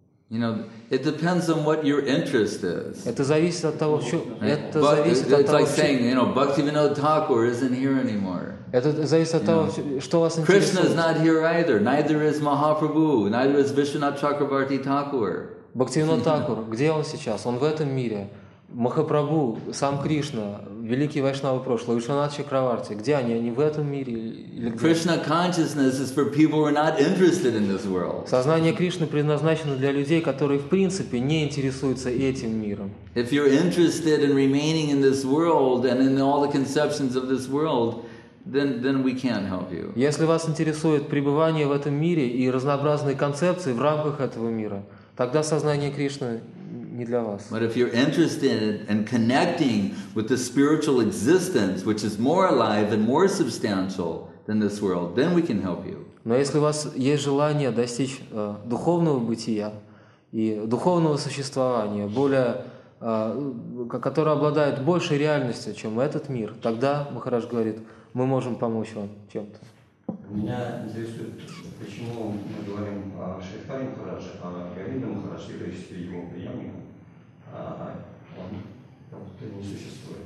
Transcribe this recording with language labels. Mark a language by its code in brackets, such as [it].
[en] You know, it depends on what your interest is. [ru] Это зависит от того, что это зависит от того. [en] It's like saying, you know, Bhaktivinoda Thakur isn't here anymore. [ru] Это зависит от того, что вас интересует. [en] Krishna is not here either. Neither is Mahaprabhu. Neither is Vishwanath Chakravarti Thakur. [ru] Бхактивинода Такур, где он сейчас? Он в этом мире. Махапрабху, сам Кришна, великий вайшнава прошлого, Вишванатха Чакраварти, где они? Они в этом мире или где? [en] Krishna consciousness is for people who are not interested in this world. [ru] Сознание Кришны предназначено для людей, которые в принципе не интересуются этим миром. [en] If you're interested in remaining in this world and in all the conceptions of this world, then we can't help you. [ru] Если вас интересует пребывание в этом мире и разнообразные концепции в рамках этого мира, тогда сознание Кришны не для вас. [en] But if you're interested in connecting with the spiritual existence, which is more alive and more substantial than this world, then we can help you. [ru] Но если у вас есть желание достичь духовного бытия и духовного существования, более, которое обладает большей реальностью, чем этот мир, тогда, Махарадж говорит, мы можем помочь вам чем-то. Меня интересует, почему мы говорим о Шридхаре Махарадже, а Говинда Махарадж, являющийся его преемником, он не существует.